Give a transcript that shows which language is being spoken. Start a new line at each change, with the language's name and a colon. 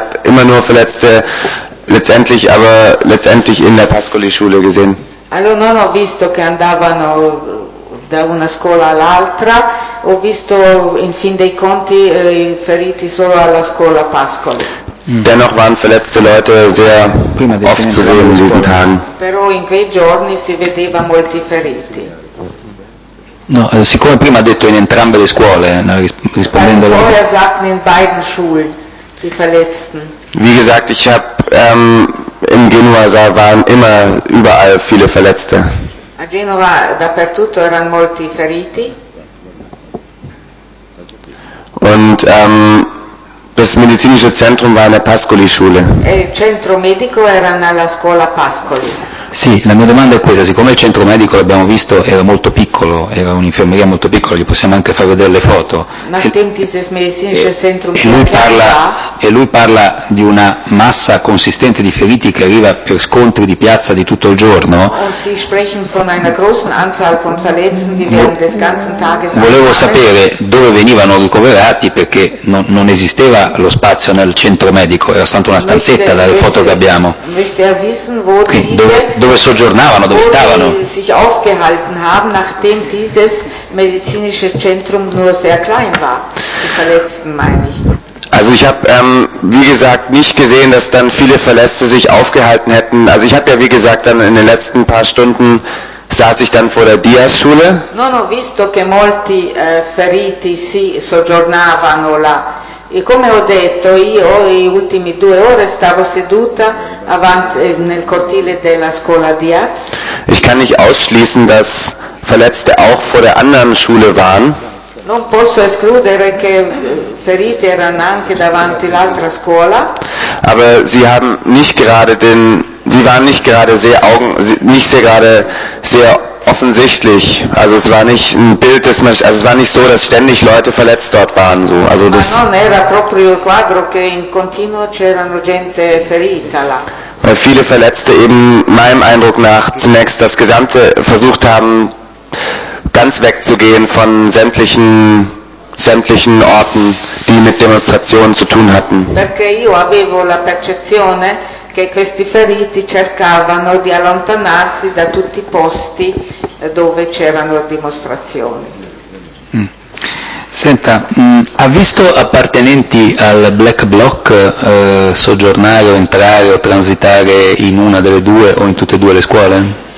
German: Ich habe immer nur Verletzte letztendlich in der Pascoli-Schule gesehen.
Italian: Also, non ho visto che andavano da una scuola all'altra, ho visto in fin dei conti i feriti solo alla scuola Pascoli.
German: Dennoch waren verletzte Leute sehr oft zu sehen in diesen Tagen.
Italian: Però in quei giorni si vedeva molti feriti. No, siccome prima ha detto in entrambe le scuole, rispondendo.
German: Also, vorher sagten in beiden Schulen die Verletzten. Wie gesagt, ich habe in Genua waren immer überall viele Verletzte.
Italian: A Genova dappertutto erano molti feriti.
German: Und das medizinische Zentrum war in der Pascoli-Schule.
Italian: Il centro medico era nella scuola Pascoli. Sì, la mia domanda è questa: siccome il centro medico l'abbiamo visto era molto piccolo, era un'infermeria molto piccola, gli possiamo anche far vedere le foto.
German: Ma dieses medizinische Zentrum
Italian: e lui parla di una massa consistente di feriti che arriva per scontri di piazza di tutto il giorno.
German: Und Sie sprechen von einer großen Anzahl von Verletzten, die sind des ganzen Tages.
Italian: Volevo sapere dove venivano ricoverati perché non esisteva lo spazio nel centro medico, era soltanto una stanzetta dalle foto che abbiamo. Dove soggiornavano, dove stavano?
German: Sich aufgehalten haben, nachdem dieses medizinische Zentrum nur sehr klein war. Die Verletzten meine ich. Also ich habe, wie gesagt, nicht gesehen, dass dann viele Verletzte sich aufgehalten hätten. Also ich habe ja, wie gesagt, dann in den letzten paar Stunden saß ich dann vor der Diaz-Schule.
Italian: Non ho visto che molti feriti si soggiornavano là. E come ho detto, io le ultime due ore stavo seduta avanti nel cortile della scuola Diaz.
German: Ich kann nicht ausschließen, dass Verletzte auch vor der anderen Schule waren.
Italian: Non posso escludere che feriti erano anche davanti l'altra scuola.
German: Aber sie waren nicht gerade sehr offensichtlich, also es war nicht ein Bild, es war nicht so, dass ständig Leute verletzt dort waren, so. Also das.
Italian: Non era proprio il quadro che in continuo c'erano gente ferita là.
German: weil viele Verletzte eben meinem Eindruck nach zunächst das Gesamte versucht haben, ganz wegzugehen von sämtlichen Orten, die mit Demonstrationen zu tun hatten.
Italian: Perché io avevo la percezione che questi feriti cercavano di allontanarsi da tutti i posti dove c'erano dimostrazioni. Senta, ha visto appartenenti al Black Bloc soggiornare o entrare o transitare in una delle due o in tutte e due le scuole?